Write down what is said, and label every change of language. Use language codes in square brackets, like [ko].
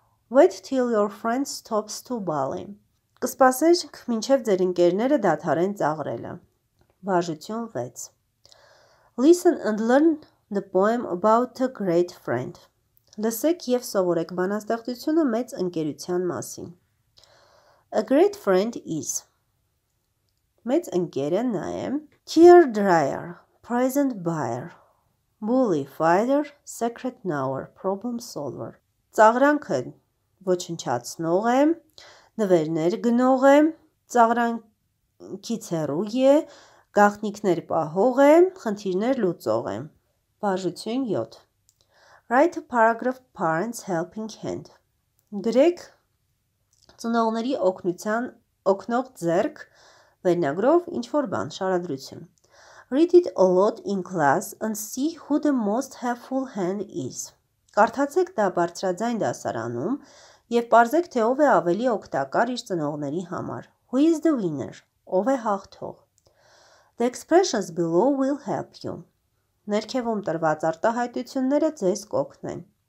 [en] Wait till your friends stops to bully. [hy] Կսպասեք, մինչեւ ձեր ընկերները դադարեն ծաղրելը. Բաժություն 6. [en] Listen and learn the poem about a great friend. [hy] Լսեք եւ սովորեք բանաստեղծությունը մեծ ընկերության մասին. [en] A great friend is. [hy] Մեծ ընկերը նա է. [en] Tear dryer, present buyer, bully fighter, secret knower, problem solver. [hy] Ծաղրանքը ոչնչացնող է, նվերներ գնող է, ծաղրանքից հեռու է, գաղտնիքներ պահող է, խնդիրներ լուծող է. Բաժություն 7. [en] Write a paragraph parents helping hand. [hy] Գրեք ծնողների օգնության օգնող ձեռք վերնագրով ինչ-որ բան, շարադրություն. [en] Read it a lot in class and see who the most helpful hand is. [hy] Կարդացեք դա բարձրաձայն դասարանում և պարզեք, թե ով է ավելի օգտակար իր ծնողների համար. [en] Who is the winner? [hy] Ով է հաղթող? [en] The expressions below will help you. [hy] Ներքևում տրված արտահայտությունները ձեզ կօգնեն.